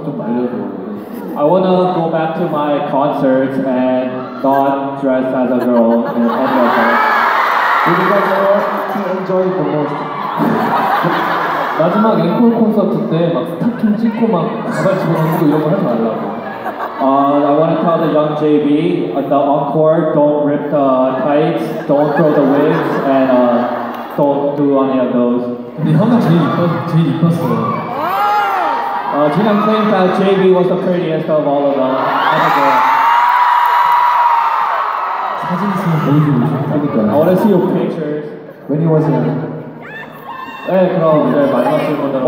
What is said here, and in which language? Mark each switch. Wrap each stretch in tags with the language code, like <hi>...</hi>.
<en>I wanna go back to my concerts and not dress as a girl in any of them. Would you guys ever enjoy the most?</en> <ko>마지막 앵콜 콘서트 때 막 스타킹 찍고 막 가발 집어넣고 이런 거 하지 말라고.</ko> <en>I want to tell the young JB, the encore, don't rip the tights, don't throw the wigs, and don't do any of those.</en> <ko>근데 형은 제일 이뻤어요.</ko> <en>Jin, I'm saying that JB was the prettiest of all of them.</en> <ko>사진 있으면 보여주고 싶으니까.</ko> <en>I want to see your pictures. When he was in.</en> <ko>네, 그럼 이제 마지막 질문으로</ko>